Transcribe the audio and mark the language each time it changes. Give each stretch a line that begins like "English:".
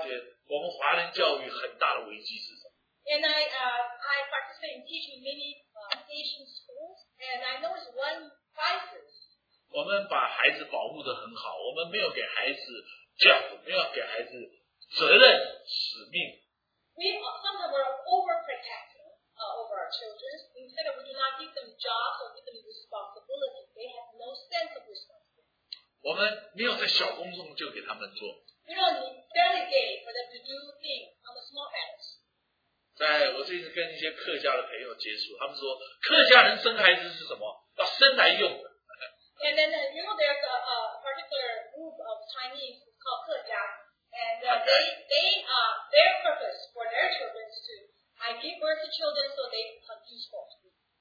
Chinese: 我还有我在这个很多教育的过程里面，因为我现在担任好几家的这个很多学校教书，我发觉我们华人教育很大的危机是什么？
English: And I participate in teaching many Asian schools, and I know it's one crisis.
Chinese: 我们把孩子保护得很好，我们没有给孩子教，没有给孩子责任使命。
English: We sometimes are overprotective over our children. Instead of we do not give them jobs or give them responsibility, they have no sense of responsibility.
Chinese: 我们没有在小工中就给他们做。
English: We don't delegate for them to do things on the small hands.
Chinese: 在我最近跟一些客家的朋友接触，他们说客家人生孩子是什么？要生来用的。
English: And then you know there's a particular group of Chinese called 客家, and their purpose for their children is to I give birth to children so they produce for me.